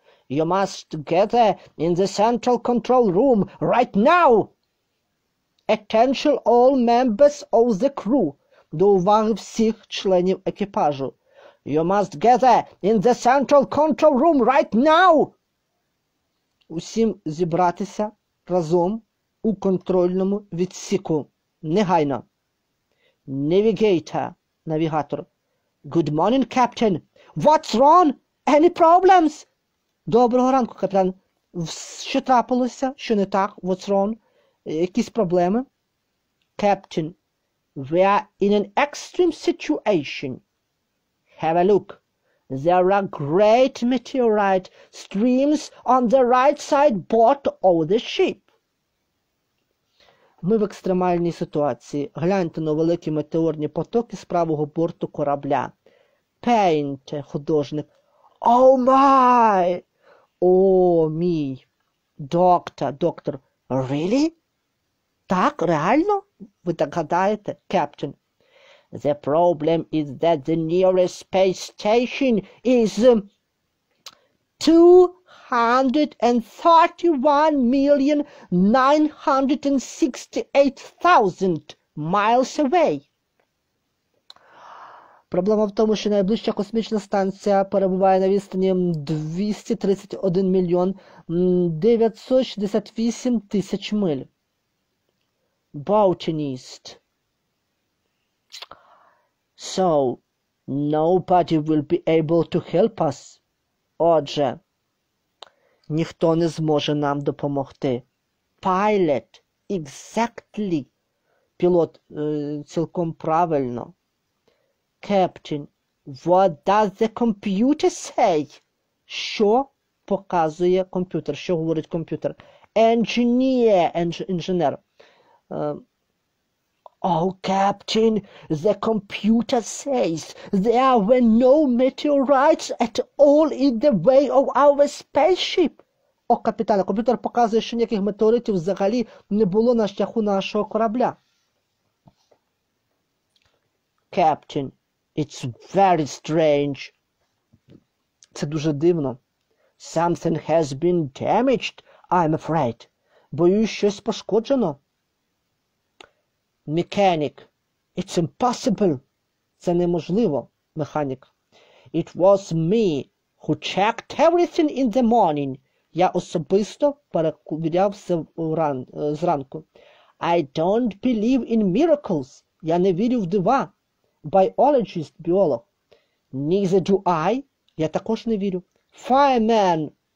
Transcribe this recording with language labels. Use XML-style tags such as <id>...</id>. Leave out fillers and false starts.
<en>You must gather in the central control room right now. Attention all members of the crew.</en> <uk>До уваги всіх членів екіпажу.</uk> <en>You must gather in the central control room right now.</en> <uk>Усім зібратися разом у контрольному відсіку. Негайно. Навігейтор. Навігатор.</uk> <en>Good morning, Captain. What's wrong? Any problems?</en> <uk>Доброго ранку, капітан. Що трапилося? Що не так?</uk> <en>What's wrong?</en> <uk>Якісь проблеми?</uk> <en>Captain, we are in an extreme situation. Have a look. There are great meteorite streams on the right side bow of the ship.</en> <uk>Ми в екстремальній ситуації. Гляньте на великі метеорні потоки з правого борту корабля.</uk> <en>Paint, художник. Oh my!</en> <uk>О, мій. Доктор.</uk> <en>Really?</en> <uk>Так, реально? Ви так гадаєте?</uk> <en>Captain. The problem is that the nearest space station is 231,968,000 miles away.</en> <uk>Проблема в тому, що найближча космічна станція перебуває на відстані 231,968,000 миль.</uk> <en>Botanist. So, nobody will be able to help us.</en> <uk>Отже, ніхто не зможе нам допомогти.</uk> <en>Pilot. Exactly.</en> <uk>Пілот, цілком правильно.</uk> <en>Captain, what does the computer say?</en> <uk>Що показує комп'ютер? Що говорить комп'ютер?</uk> <en>Engineer. Інженер. Oh, Captain, the computer says there were no meteorites at all in the way of our spaceship.</en> <uk>О, капітане, комп'ютер показує, що ніяких метеоритів взагалі не було на шляху нашого корабля.</uk> <en>Captain, it's very strange.</en> <uk>Це дуже дивно.</uk> <en>Something has been damaged, I'm afraid.</en> <uk>Боюсь, щось пошкоджено.</uk> <en>Mechanic. It's impossible.</en> <uk>Це неможливо, механік.</uk> <en>It was me who checked everything in the morning.</en> <uk>Я особисто перевіряв все зранку.</uk> <en>I don't believe in miracles.</en> <uk>Я не вірю в дива. Biologist, біолог.</uk> <en>Neither do I.</en> <uk>Я також не вірю.</uk> <en>Fireman.</en>